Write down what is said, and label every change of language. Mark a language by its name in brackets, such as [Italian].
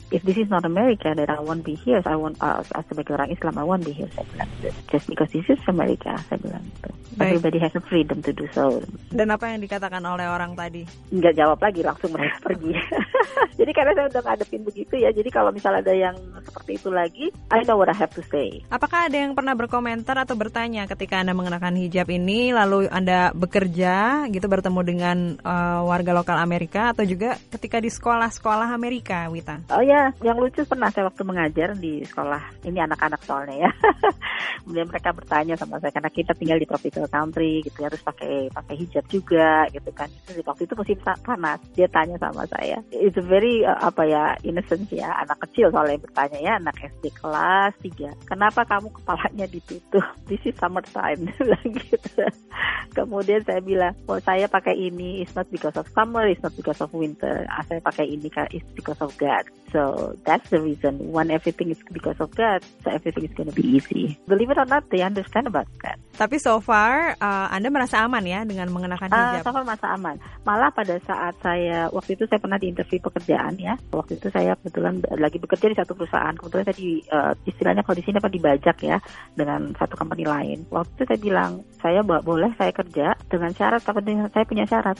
[English] If this is not America, then I won't be here. So I won't, sebagai orang Islam, I won't be here, saya bilang. Just because this is America, saya bilang itu. Everybody has a freedom to do so. [Indonesian] Dan apa yang dikatakan oleh orang tadi? Nggak jawab lagi, langsung mereka pergi. Jadi karena saya udah ngadepin begitu ya, jadi kalau misalnya ada yang seperti itu lagi, I know what I have to say. Apakah ada yang pernah berkomentar atau bertanya ketika Anda mengenakan hijab ini, lalu Anda bekerja, gitu, bertemu dengan warga lokal Amerika, atau juga ketika di sekolah-sekolah Amerika, Wita? Oh ya, yang lucu pernah saya waktu mengajar di sekolah, ini anak-anak soalnya ya. Kemudian mereka bertanya sama saya, karena kita tinggal di tropical country, gitu, harus pakai hijab juga, gitu kan. Jadi waktu itu musim panas, dia tanya sama saya. It's a very, innocent ya, anak kecil soalnya yang bertanya ya, anak SD kelas 3. Kenapa kamu kepalanya ditutup? This is summertime, gitu. [English] Kemudian saya bilang, well, saya pakai ini, it's not because of summer, it's not because of winter. Saya pakai ini, it's because of God. So, that's the reason. When everything is because of God, so everything is going to be easy. Believe it or not, they understand about God. [Indonesian] Tapi so far, Anda merasa aman ya dengan mengenakan hijab? So far merasa aman. Malah pada saat saya, waktu itu saya pernah di interview pekerjaan ya. Waktu itu saya kebetulan lagi bekerja di satu perusahaan. Kebetulan saya di, istilahnya kalau di sini apa, dibajak ya, dengan satu company lain. Waktu itu saya bilang, saya boleh saya kerja dengan syarat, tapi saya punya syarat.